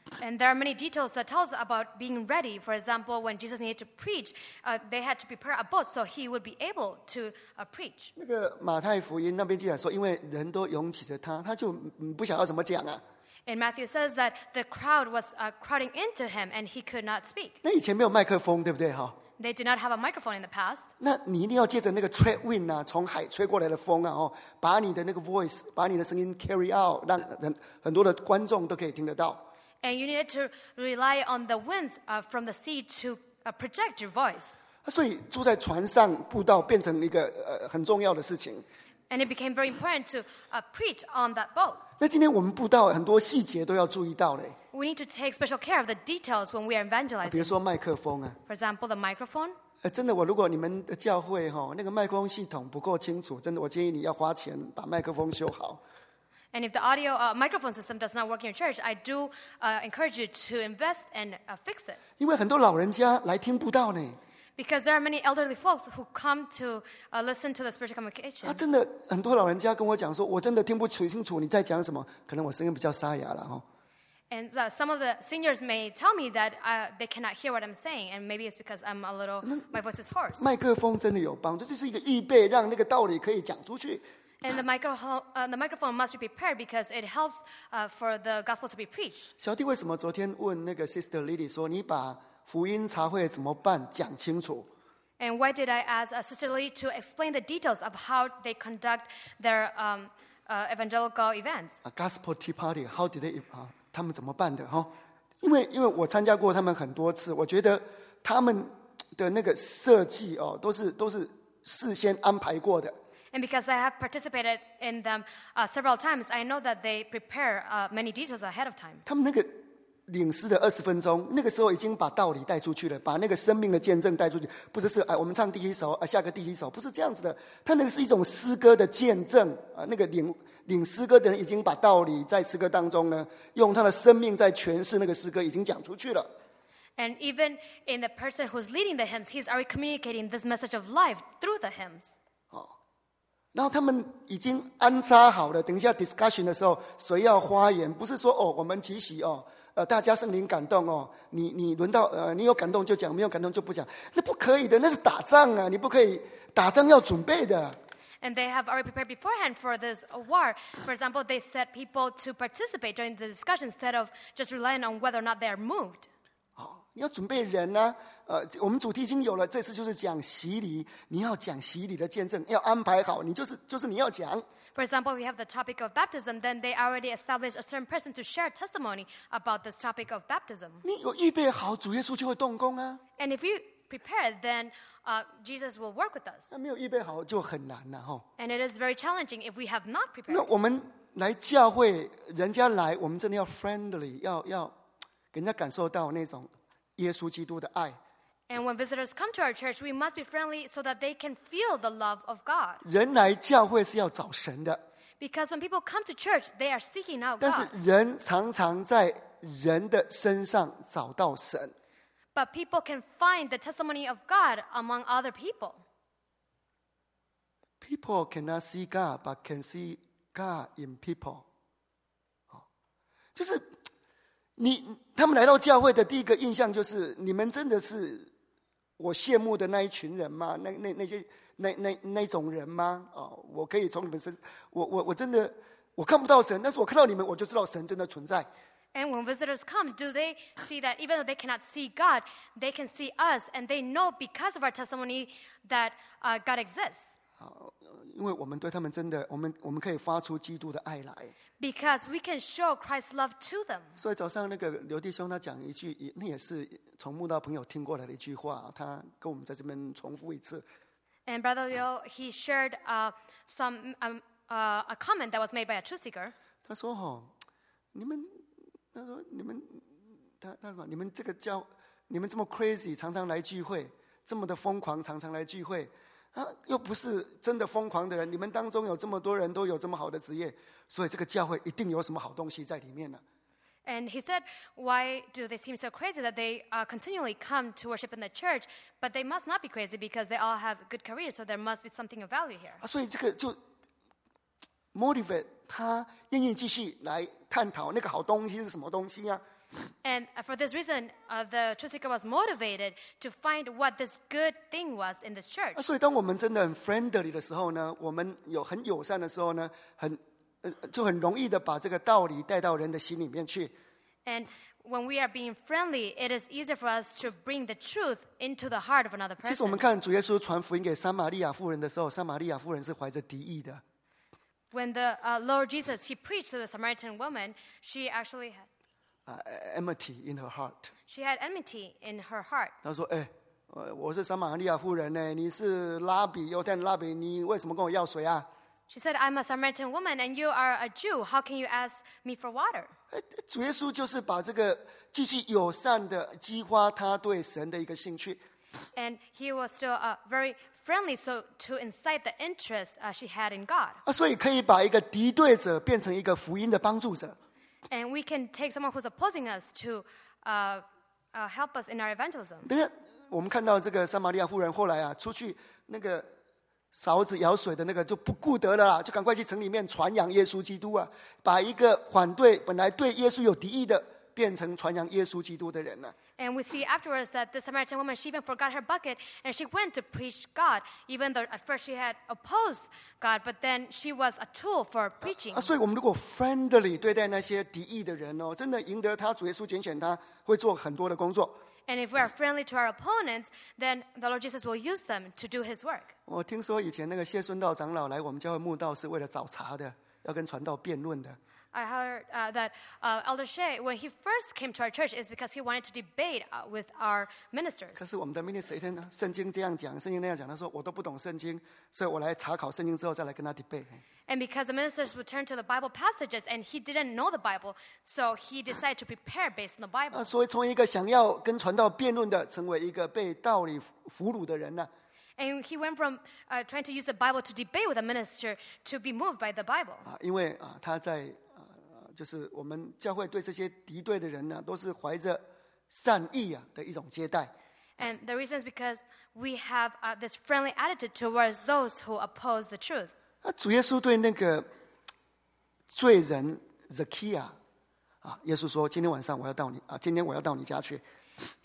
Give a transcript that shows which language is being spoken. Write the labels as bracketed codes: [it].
[en] And there are many details that tells about being ready. For example, when Jesus needed to preach, they had to prepare a boat so he would be able to preach. [zh] 那个马太福音那边记载说，因为人都拥挤着他，他就不晓得怎么讲啊。 [en] And Matthew says that the crowd was crowding into him, and he could not speak. [zh] 那以前没有麦克风，对不对哈？ [en] They did not have a microphone in the past. [zh] 那你一定要借着那个 [en] trade wind [zh] 啊，从海吹过来的风啊，哦，把你的那个 [en] voice， [zh] 把你的声音 [en] carry out， [zh] 让很多的观众都可以听得到。 [en] And you needed to rely on the winds from the sea to project your voice. [zh] 所以住在船上布道变成一个很重要的事情。 [en] And it became very important to preach on that boat. [zh] 那今天我们布道很多细节都要注意到嘞。 [en] We need to take special care of the details when we are evangelizing. [zh] 比如说麦克风啊。 [en] For example, the microphone. [zh] 真的，我如果你们的教会哈那个麦克风系统不够清楚，真的我建议你要花钱把麦克风修好。 [en] And if the audio microphone system does not work in your church, I do encourage you to invest and fix it. [zh] 因为很多老人家来听不到呢。 [en] Because there are many elderly folks who come to listen to the spiritual communication. [zh] 真的很多老人家跟我讲说，我真的听不清楚你在讲什么，可能我声音比较沙哑了哈。 [en] And some of the seniors may tell me that they cannot hear what I'm saying, and maybe it's because I'm a little my voice is hoarse. [zh] 麦克风真的有帮助，这是一个预备，让那个道理可以讲出去。 [en] And the microphone must be prepared because it helps for the gospel to be preached. [zh] 小弟为什么昨天问那个 Sister Lily 说你把福音茶会怎么办讲清楚？ [en] And why did I ask Sister Lily to explain the details of how they conduct their evangelical events? A gospel tea party, how did they [zh] 他们怎么办的？因为我参加过他们很多次，我觉得他们的那个设计哦，都是事先安排过的。 [en] And because I have participated in them several times, I know that they prepare many details ahead of time. [zh] 他们那个领事的二十分钟，那个时候已经把道理带出去了，把那个生命的见证带出去，不是哎，我们唱第一首，下个第一首，不是这样子的。他那个是一种诗歌的见证那个领诗歌的人已经把道理在诗歌当中呢，用他的生命在诠释那个诗歌，已经讲出去了。 [en] And even in the person who's leading the hymns, he's already communicating this message of life through the hymns. [zh] 然后他们已经安插好了，等一下 [en] discussion [zh] 的时候，谁要发言？不是说哦，我们集席哦，大家圣灵感动哦，你轮到你有感动就讲，没有感动就不讲，那不可以的，那是打仗啊，你不可以打仗要准备的。 [en] And they have already prepared beforehand for this war. For example, they set people to participate during the discussion instead of just relying on whether or not they are moved. [zh] 你要准备人呢、啊。我们主题已经有了，这次就是讲洗礼，你要讲洗礼的见证，要安排好，你就是你要讲。 [en] For example, we have the topic of baptism. Then they already established a certain person to share testimony about this topic of baptism. [zh] 你有预备好，主耶稣就会动工啊。 [en] And if you prepare, then Jesus will work with us. [zh] 那没有预备好就很难了哈。 [en] And it is very challenging if we have not prepared. [zh] 那我们来教会，人家来，我们真的要 [en] friendly， [zh] 要给人家感受到那种耶稣基督的爱。 [en] And when visitors come to our church, we must be friendly so that they can feel the love of God. [zh] 人来教会是要找神的。 [en] Because when people come to church, they are seeking out God. [zh] 但是人常常在人的身上找到神。 [en] But people can find the testimony of God among other people. People cannot see God, but can see God in people. [zh] 就是你他们来到教会的第一个印象就是你们真的是我羡慕的那一群人吗？那种人吗、哦、我可以从你们身上 我真的看不到神，但是我看到你们我就知道神真的存在。 [en] And when visitors come, do they see that even though they cannot see God, they can see us and they know because of our testimony that God exists? [zh] 因为我们对他们真的我们可以发出基督的爱来。 [en] Because we can show Christ's love to them. [zh] 所以早上那个刘弟兄他讲一句，那也是从慕道朋友听过来的一句话，他跟我们在这边重复一次。 [en] And Brother Leo, he shared a comment that was made by a truth seeker. [zh] 他说哈，你们这个教，你们这么 [en] crazy， [zh] 常常来聚会，这么的疯狂，常常来聚会，啊，又不是真的疯狂的人。你们当中有这么多人都有这么好的职业，所以这个教会一定有什么好东西在里面呢。 [en] And he said, why do they seem so crazy that they continually come to worship in the church? But they must not be crazy because they all have good careers, so there must be something of value here. [zh] 所以这个就 [en] motivate [zh] 他愿意继续来探讨那个好东西是什么东西啊。 [en] And for this reason, the truth seeker was motivated to find what this good thing was in this church. [zh] 所以当我们真的很 [en] friendly [zh] 的时候呢，我们有很友善的时候呢，很就很容易的把这个道理带到人的心里面去。 [en] And when we are being friendly, it is easier for us to bring the truth into the heart of another person. [zh] 其实我们看主耶稣传福音给撒玛利亚妇人的时候，撒玛利亚妇人是怀着敌意的。 [en] When the Lord Jesus he preached to the Samaritan woman, she actually had enmity in her heart. She had enmity in her heart. [zh] 她说：“哎，我是撒玛利亚妇人呢，你是拉比，犹太拉比，你为什么跟我要水啊？” [en] She said, "I'm a Samaritan woman, and you are a Jew. How can you ask me for water?" [zh] 主耶稣就是把这个继续友善的激发他对神的一个兴趣。 [en] And he was still very friendly, so to incite the interest she had in God. [zh] 所以可以把一个敌对者变成一个福音的帮助者。 [en] And we can take someone who's opposing us to help us in our evangelism. [zh] 我们看到这个撒玛利亚妇人后来啊，出去那个。勺子舀水的那个就不顾得了啦，就赶快去城里面传扬耶稣基督啊！把一个反对本来对耶稣有敌意的，变成传扬耶稣基督的人了。 [en] And we see afterwards that the Samaritan woman she even forgot her bucket and she went to preach God, even though at first she had opposed God, but then she was a tool for preaching. [zh] 所以我们如果 [en] friendly [zh] 对待那些敌意的人哦，真的赢得他主耶稣拣选他，会做很多的工作。 [en] And if we are friendly to our opponents, then the Lord Jesus will use them to do His work. [zh] 我听说以前那个谢孙道长老来我们教会慕道是为了找茬的，要跟传道辩论的。 [en] I heard that Elder Shea, when he first came to our church, is because he wanted to debate with our ministers. [zh] 可是我们的 [en] minister [zh] 一天圣经这样讲，圣经那样讲，他说我都不懂圣经，所以我来查考圣经之后再来跟他 [en] debate。 And because the ministers would turn to the Bible passages, and he didn't know the Bible, so he decided to prepare based on the Bible. [zh] 所以从一个想要跟传道辩论的，成为一个被道理俘虏的人呢。 [en] And he went from trying to use the Bible to debate with a minister to be moved by the Bible. [zh] 因为他在就是我们教会对这些敌对的人呢，都是怀着善意啊的一种接待。 [en] And the reason is because we have this friendly attitude towards those who oppose the truth. [zh] 主耶稣对那个罪人 Zacchaeus 耶稣说：“今天晚上我要到你今天我要到你家去。”